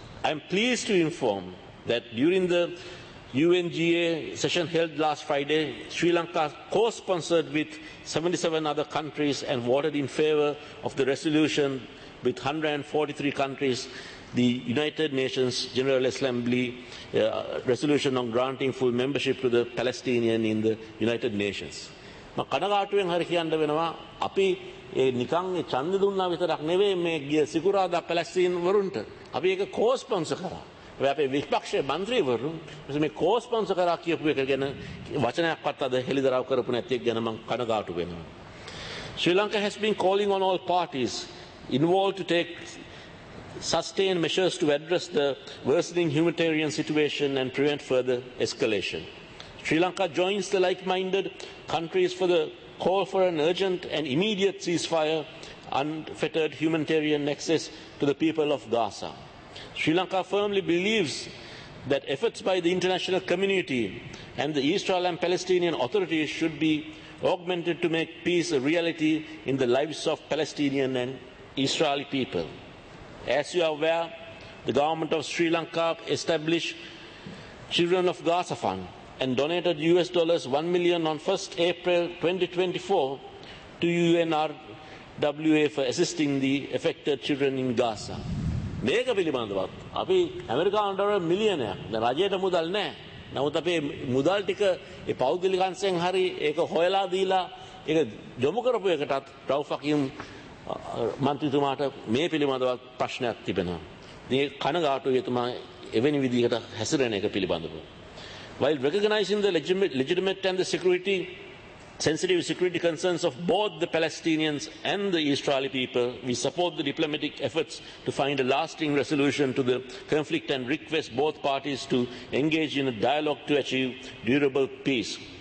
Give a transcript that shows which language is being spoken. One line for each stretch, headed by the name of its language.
English: I am pleased to inform that during the UNGA session held last Friday, Sri Lanka co-sponsored with 77 other countries and voted in favor of the resolution with 143 countries, the United Nations General Assembly resolution on granting full membership to the Palestinian in the United Nations.
Sinhala: මම කනගාටුවෙන් හරි කියන්න වෙනවා අපි ඒ නිකන් ඒ ඡන්දෙ දුන්නා විතරක් නෙවෙයි මේ සිකුරාදා පැලස්තීන වරුන්ට අපි ඒක කෝස්පොන්සර් කරා. ඒ අපේ විපක්ෂයේ മന്ത്രിවරු මේ කෝස්පොන්සර් කරා කියපු එක ගැන වචනයක්වත් අද හෙළිදරව් කරපු නැති එක ගැන මම කනගාටු වෙනවා.
English: Sri Lanka has been calling on all parties involved to take sustained measures to address the worsening humanitarian situation and prevent further escalation. Sri Lanka joins the like-minded countries for the call for an urgent and immediate ceasefire and unfettered humanitarian access to the people of Gaza. Sri Lanka firmly believes that efforts by the international community and the Israel and Palestinian authorities should be augmented to make peace a reality in the lives of Palestinian and Israeli people. As you are aware, the government of Sri Lanka established Children of Gaza Fund and donated US dollars $1 million on 1st April 2024 to UNRWA for assisting the affected children in Gaza.
Sinhala: මේක පිළිබඳවත් අපි ඇමරිකානු dollar මිලියනයක් දැන් රජයට මුදල් නැහැ. නමුත් අපේ මුදල් ටික ඒ පෞද්ගලික අංශයෙන් හරි ඒක හොයලා දීලා ඒක යොමු කරපු එකටත් රවුෆකින් මන්ත්‍රීතුමාට මේ පිළිබඳවත් ප්‍රශ්නයක් තිබෙනවා. මේ කනගාටුයි එතුමා එවැනි විදිහට හැසිරෙන එක පිළිබඳව.
English: While recognizing the legitimate and the security, sensitive security concerns of both the Palestinians and the Israeli people, we support the diplomatic efforts to find a lasting resolution to the conflict and request both parties to engage in a dialogue to achieve durable peace.